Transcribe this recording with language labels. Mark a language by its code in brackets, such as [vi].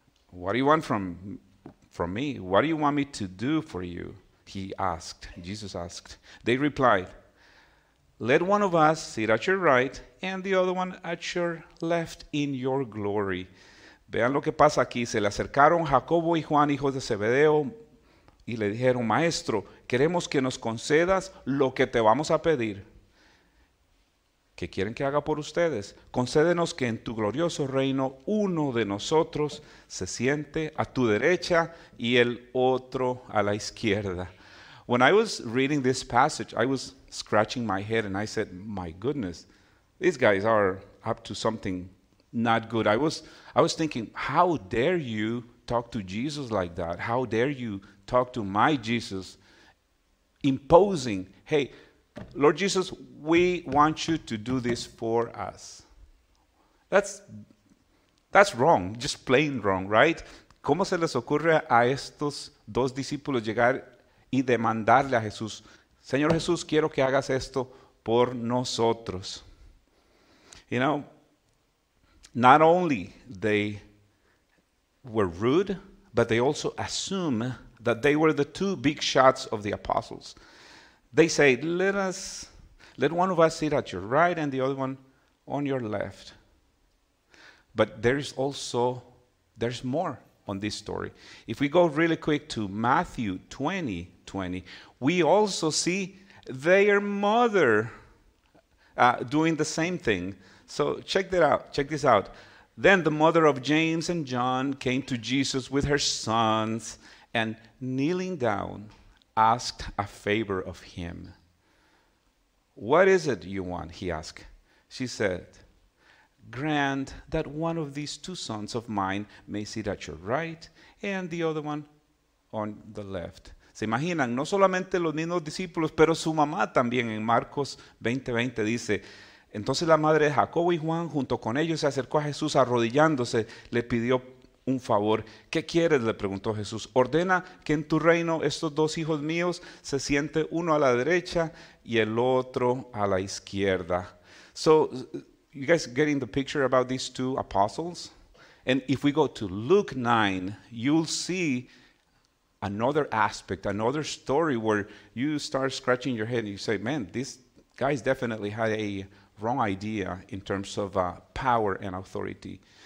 [en] What do you want from me? What do you want me to do for you? He asked, Jesus asked. They replied, let one of us sit at your right and the other one at your left in your glory. [es] Vean lo que pasa aquí. Se le acercaron Jacobo y Juan, hijos de Zebedeo, y le dijeron, maestro, queremos que nos concedas lo que te vamos a pedir. ¿Qué quieren que haga por ustedes? Concédenos que en tu glorioso reino uno de nosotros se siente a tu derecha y el otro a la izquierda. [en] When I was reading this passage, I was scratching my head and I said, my goodness, these guys are up to something not good. I was thinking, how dare you talk to Jesus like that? How dare you talk to my Jesus, imposing, hey, Lord Jesus, we want you to do this for us. That's wrong, just plain wrong, right? [es] ¿Cómo se les ocurre a estos dos discípulos llegar y demandarle a Jesús, Señor Jesús, quiero que hagas esto por nosotros? [en] You know, not only they were rude, but they also assume that they were the two big shots of the apostles. They say, let one of us sit at your right and the other one on your left. But there's more on this story. If we go really quick to Matthew 20:20, we also see their mother doing the same thing. So check that out. Check this out. Then the mother of James and John came to Jesus with her sons and kneeling down, asked a favor of him. What is it you want? He asked. She said, grant that one of these two sons of mine may sit at your right and the other one on the left. [es] Se imaginan, no solamente los mismos discípulos, pero su mamá también. En Marcos 20:20 dice, entonces la madre de Jacobo y Juan, junto con ellos, se acercó a Jesús arrodillándose, le pidió un favor. ¿Qué quieres? Le preguntó Jesús. Ordena que en tu reino estos dos hijos míos se siente uno a la derecha y el otro a la izquierda. [en] So, you guys getting the picture about these two apostles? And if we go to Luke 9, you'll see another aspect, another story where you start scratching your head and you say, man, these guys definitely had a wrong idea in terms of power and authority.